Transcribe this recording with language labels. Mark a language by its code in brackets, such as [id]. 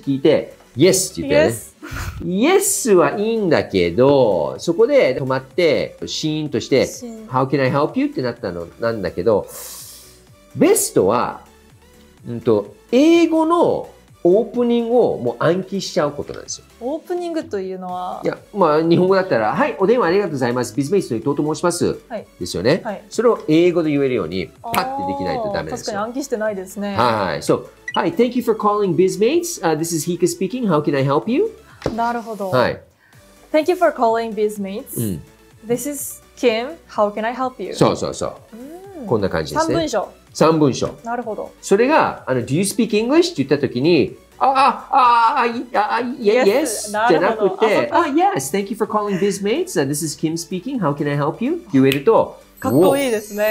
[ja] って聞いて Yes って言ってね、 Yes はいいんだけど、そこで止まってシーンとして [en] How can I help you? [ja] ってなったのなんだけど、ベストは英語のオープニングをもう暗記しちゃうことなんですよ。オープニングというのは、いや、まあ日本語だったら、はい、お電話ありがとうございます、ビズメイスの伊藤と申します、はい、ですよね、はい、それを英語で言えるようにパッてできないとダメですよ。確かに暗記してないですね。はい、そう、はい、 [en] Thank you for calling BizMates、This is Hika speaking, how can I help you? [ja] なるほど、はい、 [en] Thank you for calling BizMates、うん、This is Kim, how can I help you? [ja] そうそうそう、こんな感じですね。 3文章。なるほど。それが、 [en] Do you speak English? [ja] って言ったときに、Yes! じゃなくて、Yes! [en] Thank you for calling BizMates. This is Kim speaking. How can I help you? [ja] って言えると、かっこいいですね。